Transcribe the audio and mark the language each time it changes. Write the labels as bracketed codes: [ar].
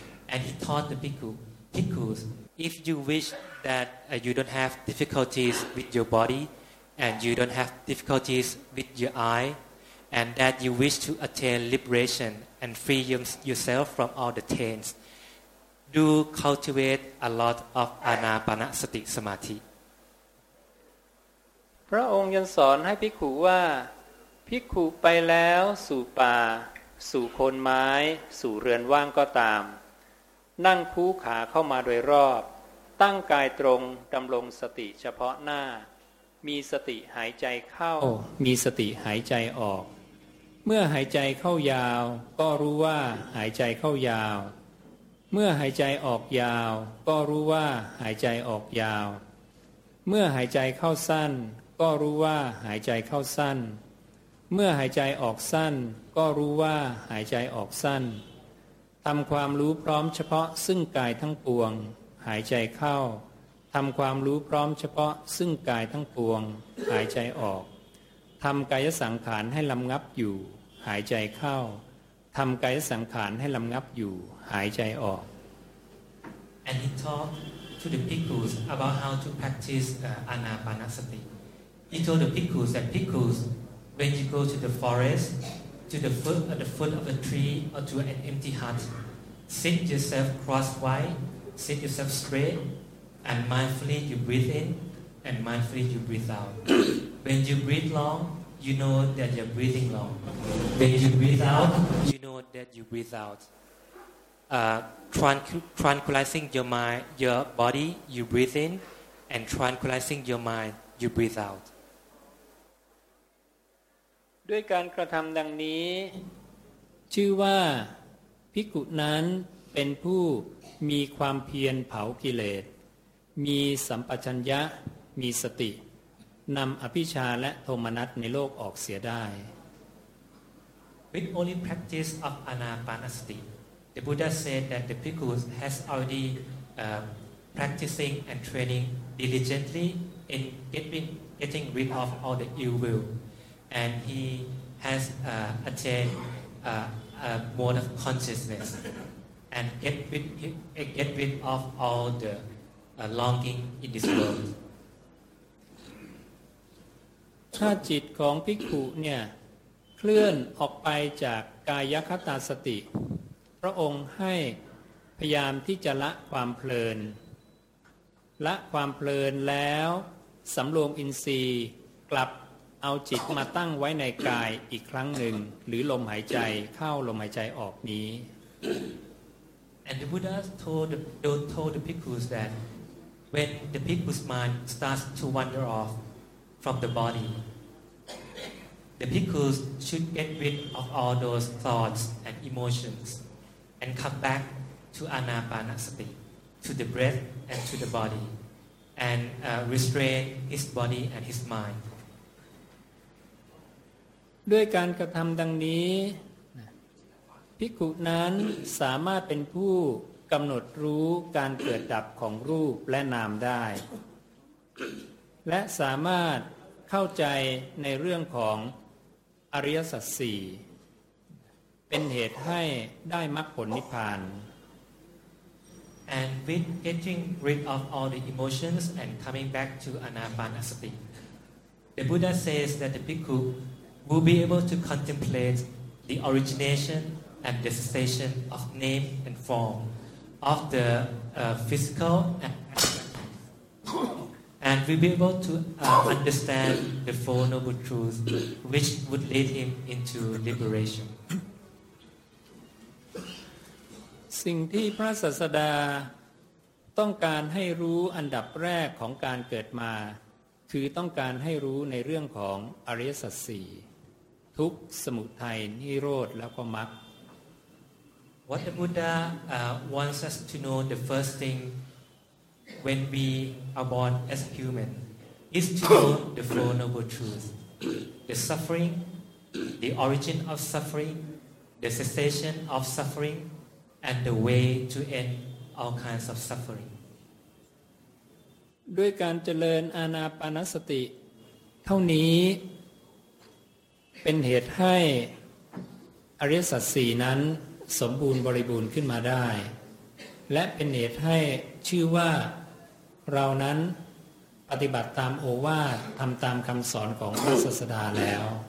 [en] And he taught the bhikkhus, if you wish that you don't have difficulties with your body, and you don't have difficulties with your eye, and that you wish to attain liberation and free yourself from all the taints, do cultivate a lot of anapanasati samadhi. [th] พระองค์ยังสอนให้ภิกขุว่าภิกขุไปแล้วสู่ป่าสู่โคนไม้สู่เรือนว่างก็ตามนั่งคู่ขาเข้ามาโดยรอบตั้งกายตรงดำรงสติเฉพาะหน้ามีสติหายใจเข้ามีสติหายใจออกเมื่อหายใจเข้ายาวก็รู้ว่าหายใจเข้ายาวเมื่อหายใจออกยาวก็รู้ว่าหายใจออกยาวเมื่อหายใจเข้าสั้นก็รู้ว่าหายใจเข้าสั้นเมื่อหายใจออกสั้นก็รู้ว่าหายใจออกสั้น ทำความรู้พร้อมเฉพาะซึ่งกายทั้งปวงหายใจเข้าทำความรู้พร้อมเฉพาะซึ่งกายทั้งปวงหายใจออกทำกายสังขารให้ลำงับอยู่หายใจเข้าทำกายสังขารให้ลำงับอยู่หายใจออก [en] And he talked to the bhikkhus about how to practice anapanasati. He told the bhikkhus that bhikkhus, when you go to the forest, to the foot at the foot of a tree or to an empty hut, sit yourself crosswise, sit yourself straight, and mindfully you breathe in and mindfully you breathe out. When you breathe long, you know that you're breathing long. When you breathe out, you know that you breathe out. Tranquilizing your mind, your body, you breathe in, and tranquilizing your mind, you breathe out. [th] ด้วยการกระทำดังนี้ชื่อว่าภิกขุนั้นเป็นผู้มีความเพียรเผากิเลสมีสัมปชัญญะมีสตินำอภิชฌาและโทมนัสในโลกออกเสียได้ [en] With only practice of anapanasati, the Buddha said that the bhikkhu has already practicing and training diligently in getting rid of all the ill will, and he has attained a mode of consciousness and get rid of all the longing in this world. [th] ถ้าจิตของภิกขุเนี่ยเคลื่อนออกไปจากกายคตาสติพระองค์ให้พยายามที่จะละความเพลินละความเพลินแล้วสำรวมอินทรีย์กลับเอาจิตมาตั้งไว้ในกายอีกครั้งหนึ่งหรือลมหายใจเข้าลมหายใจออกนี้ [en] And the Buddha told the bhikkhus that when the bhikkhu's mind starts to wander off from the body, the bhikkhus should get rid of all those thoughts and emotions and come back to anapanasati, to the breath and to the body, and restrain his body and his mind [th] ด้วยการกระทำดังนี้ภิกขุนั้นสามารถเป็นผู้กำหนดรู้การเกิดดับของรูปและนามได้และสามารถเข้าใจในเรื่องของอริยสัจ4เป็นเหตุให้ได้มรรคผลนิพพาน [en] And with getting rid of all the emotions and coming back to anapanasati, the Buddha says that the bhikkhuwill be able to contemplate the origination and the cessation of name and form of the physical and will be able to understand the Four Noble Truths which would lead him into liberation. [th] สิ่งที่พระศาสดาต้องการให้รู้อันดับแรกของการเกิดมาคือต้องการให้รู้ในเรื่องของอริยสัจ4ทุกสมุทัยนิโรธแล้วก็มรรค [en] What the Buddha wants us to know the first thing when we are born as human is to know the Four Noble Truths the suffering the origin of suffering the cessation of suffering and the way to end all kinds of suffering. [th] ด้วยการเจริญอานาปานสติเท่านี้เป็นเหตุให้อริยสัจ4นั้นสมบูรณ์บริบูรณ์ขึ้นมาได้และเป็นเหตุให้ชื่อว่าเรานั้นปฏิบัติตามโอวาททำตามคำสอนของพระศาสดาแล้ว